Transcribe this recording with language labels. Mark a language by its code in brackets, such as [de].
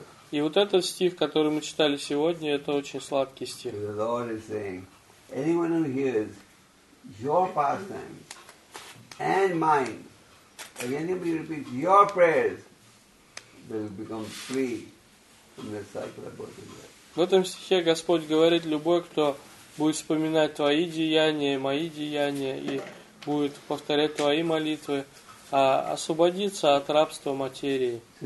[ru] И вот этот стих, который мы читали сегодня, это очень сладкий стих. [en] The Lord is saying, anyone who hears your pastime and mine, if anybody repeats your prayers, they will become free from the cycle of birth and death. [ru] В этом стихе Господь говорит, любой, кто будет вспоминать твои деяния, мои деяния, и будет повторять твои молитвы, освободиться от рабства материи.